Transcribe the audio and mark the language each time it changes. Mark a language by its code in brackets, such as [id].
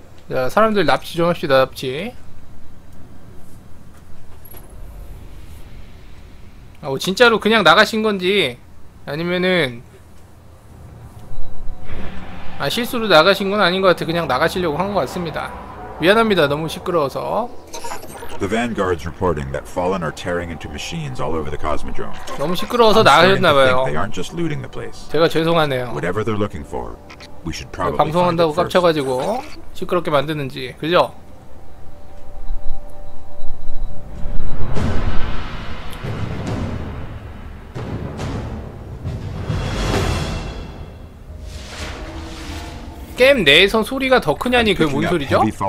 [ko] 자, 사람들 납치 좀 합시다. 납치. 진짜로 그냥 나가신 건지 아니면은 실수로 나가신 건 아닌 것 같아. 그냥 나가시려고 한 것 같습니다. 미안합니다. 너무 시끄러워서. [en] The Vanguard's reporting that Fallen are tearing into machines all over the Cosmodrome. [ko] 너무 시끄러워서 나가셨나 봐요. [en] They aren't just looting the place. [ko] 제가 죄송하네요. [en] Whatever they're looking for, we should probably. [ko] 방송한다고 깝쳐가지고 시끄럽게 만드는지, 그죠? 게임 내에서 소리가 더 크냐니 그게 뭔 소리죠?